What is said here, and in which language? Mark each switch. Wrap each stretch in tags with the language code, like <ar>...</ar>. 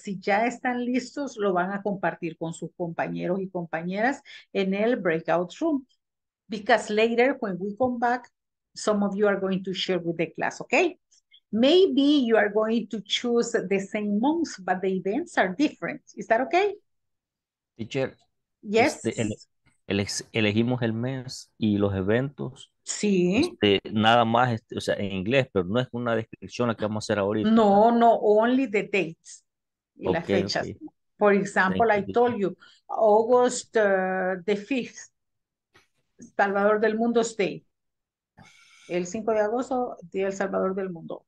<es>Si ya están listos, lo van a compartir con sus compañeros y compañeras en el breakout room.</es> <en>Because later, when we come back, some of you are going to share with the class, okay? Maybe you are going to choose the same months, but the events are different. Is that okay? Teacher. Yes.</en> <es>Elegimos el mes y los eventos. Sí. Nada más, o sea, en inglés, pero no es una descripción la que vamos a hacer ahorita.</es> <en>No, no, only the dates y okay,</en> <es>las fechas.</es> <en>Okay. For example, thank I you, told you, August the 5th, Salvador del Mundo Day.</en> <es>El 5 de agosto, Día del Salvador del Mundo.</es>